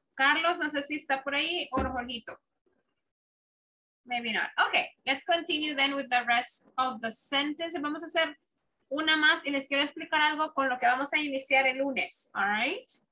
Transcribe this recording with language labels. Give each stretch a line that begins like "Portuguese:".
Spanish: Carlos, no sé si está por ahí, o Jorgito.
English: Maybe not. Okay, let's continue then with the rest of the sentence.
Spanish: Vamos a hacer una más y les quiero explicar algo con lo que vamos a iniciar el lunes,
English: all right?